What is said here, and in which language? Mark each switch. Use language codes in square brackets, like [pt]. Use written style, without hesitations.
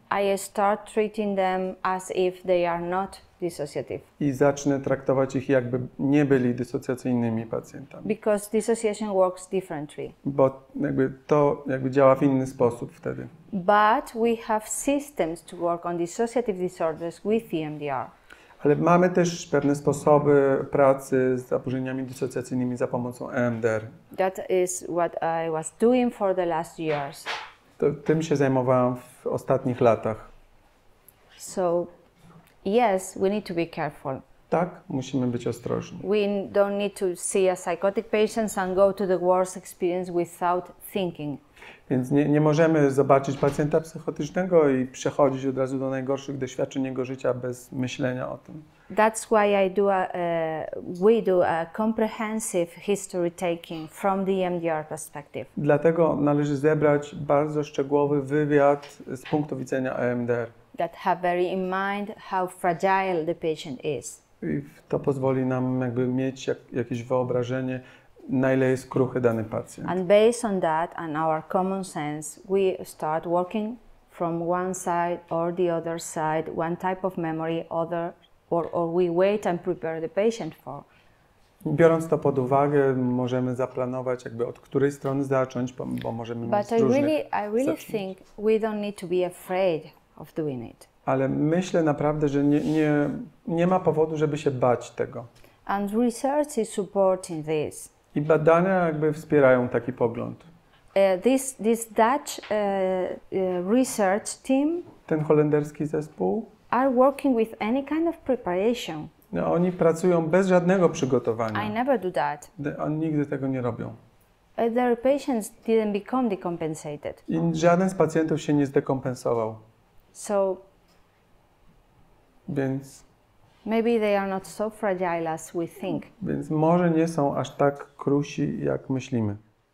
[en] I start treating them as if they are not dissociative. [pl] I zacznę traktować ich, jakby nie byli dysocjacyjnymi pacjentami. [en] Because dissociation works differently. [pl] Bo jakby to jakby działa w inny sposób wtedy. [en] But we have systems to work on dissociative disorders with EMDR. [pl] Ale mamy też pewne sposoby pracy z zaburzeniami dysocjacyjnymi za pomocą EMDR. [en] That is what I was doing for the last years. [pl] Tym się zajmowałam w ostatnich latach. [en] So, yes, we need to be careful. [pl] Tak, musimy być ostrożni. [en] We don't need to see a psychotic patient and go to the worst experience without thinking. [pl] Więc nie możemy zobaczyć pacjenta psychotycznego i przechodzić od razu do najgorszych doświadczeń jego życia bez myślenia o tym. [en] That's why I do we do a comprehensive history taking from the EMDR perspective. [pl] Dlatego należy zebrać bardzo szczegółowy wywiad z punktu widzenia EMDR. [en] That have very in mind how fragile the patient is. [pl] I to pozwoli nam jakby mieć jakieś wyobrażenie, na ile jest kruchy dany pacjent. [en] And based on that and our common sense, we start working from one side or the other side, one type of memory, or we wait and prepare the patient for. [pl] Biorąc to pod uwagę, możemy zaplanować, jakby od której strony zacząć, bo możemy [en] But [pl] mieć różnych. [en] I really [pl] zacząć. [en] Think we don't need to be afraid of doing it. [pl] Ale myślę naprawdę, że nie ma powodu, żeby się bać tego. [en] And research is supporting this. [pl] I badania jakby wspierają taki pogląd. [en] This Dutch research team. [pl] Ten holenderski zespół. [en] Are working with any kind of preparation. [pl] No, oni pracują bez żadnego przygotowania. [en] I never do that. [pl] Oni nigdy tego nie robią. [en] Their patients didn't become decompensated. [pl] I żaden z pacjentów się nie zdekompensował. [en] So. [pl] Więc. [en] Maybe they are not so fragile as we think. [pl] Więc może nie są aż tak krusi, jak myślimy.